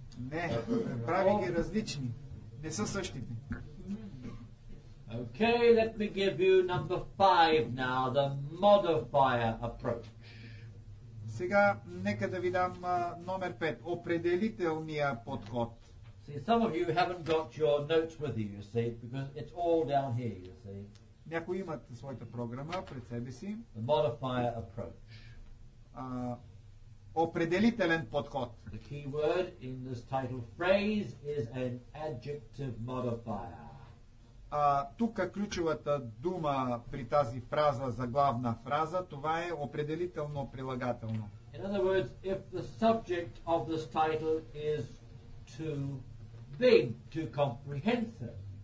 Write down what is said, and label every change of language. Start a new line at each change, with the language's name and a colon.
Bulgarian: Не, прави ги различни. Не са същите.
English: Okay, let me give you number 5 now, the modifier approach.
Bulgarian: Сега нека да ви дам номер 5, определителния подход.
English: See, some of you haven't got your notes with you, you see, because it's all down here, you see.
Bulgarian: Някои имат своята програма пред себе си.
English: The modifier approach.
Bulgarian: Определителен подход.
English: The key word in this title phrase is an adjective modifier.
Bulgarian: Тук ключовата дума при тази фраза за главна фраза, това е определително прилагателно.
English: In other words, if the subject of this title is too big, too comprehensive.